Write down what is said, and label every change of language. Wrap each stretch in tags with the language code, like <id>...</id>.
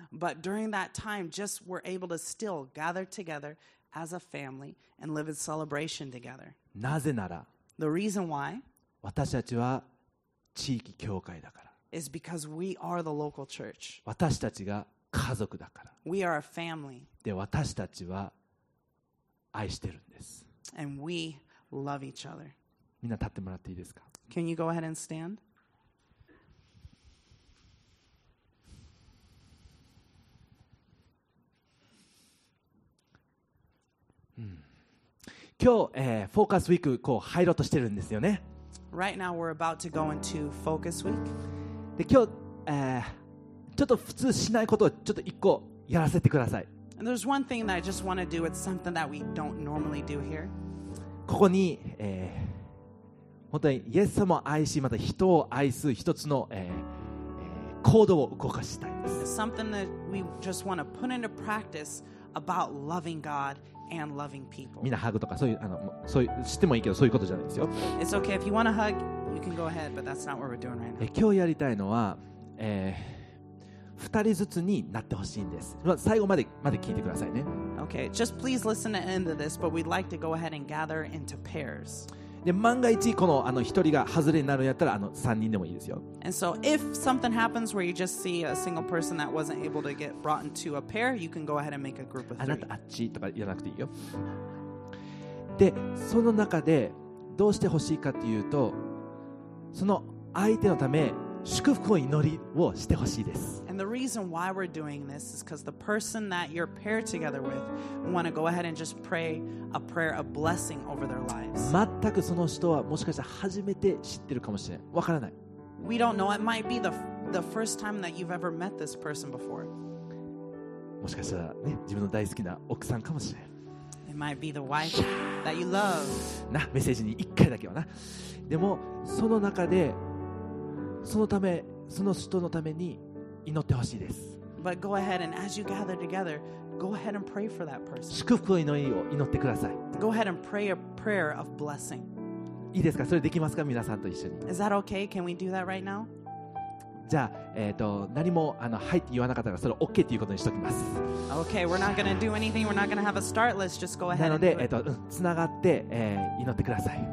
<en>But during that time, just we're able to still gather together as a family and live in celebration together.</en> <ja>なぜなら、</ja> <en>The reason why?</en> <ja>私たちは地域教会だから。</ja> <en>Is because we are the local church.</en> <ja>私たちが家族だから。</ja> <en>We are a family.</en> <ja>で、私たちは愛してるんです。</ja> <en>And we love each other.</en> <ja>みんな立ってもらっていいですか?</ja> <en>Can you go ahead and stand?</en> <ja>今日、フォーカスウィークこう入ろうとしてるんですよね。</ja> <en>Right now we're about to go into Focus Week.</en> <ja>で今日、ちょっと普通しないことをちょっと一個やらせてください。</ja> <en>And there's one thing that I just want to do. It's something that we don't normally do here.</en> <ja>ここに、本当にイエス様を愛し、また人を愛す一つの、行動を動かしたいです。</ja> <en>Something that we just want to put into practice about loving God and loving people.</en> <ja>みんなハグとかそういう、そういう、知ってもいいけどそういうことじゃないですよ。</ja> <en>It's okay if you want to hug, you can go ahead, but that's not what we're doing right now.</en> <ja>今日やりたいのは、2人ずつになってほしいんです。最後まで聞いてくださいね。</ja> <en>Okay, just please listen to the end of this, but we'd like to go ahead and gather into pairs.</en> <ja>で、万が一この1人が外れになるんやったら3人でもいいですよ。</ja> <en>And so if something happens where you just see a single person that wasn't able to get brought into a pair, you can go ahead and make a group of three.</en> <ja>あなたあっちとか言わなくていいよ。で、その中でどうしてほしいかというと、その相手のため祝福を祈りをしてほしいです。</ja> <en>And the reason why we're doing this is because the person that you're paired together with want to go ahead and just pray a prayer of blessing over their lives.</en> <ja>全くその人はもしかしたら初めて知ってるかもしれない。わからない。</ja> <en>We don't know. It might be the first time that you've ever met this person before.</en> <ja>もしかしたらね、自分の大好きな奥さんかもしれない。</ja> <en>It might be the wife that you love.</en> <ja>なメッセージに1回だけはな。でもその中でそのためその人のために祈ってほしいです。</ja> <en>But go ahead and as you gather together, go ahead and pray for that person.</en> <ja>祝福の祈りを祈ってください。</ja> <en>Go ahead and pray a prayer of blessing.</en> <ja>いいですか？それできますか？皆さんと一緒に。</ja> <en>Is that okay? Can we do that right now?</en> <ja>じゃあ、何もはいって言わなかったらそれ OK ということにしておきます。</ja> <en>Okay, we're not gonna do anything. We're not gonna have a start list. Just go ahead.</en> <ja>なので、つながって、祈ってください。</ja>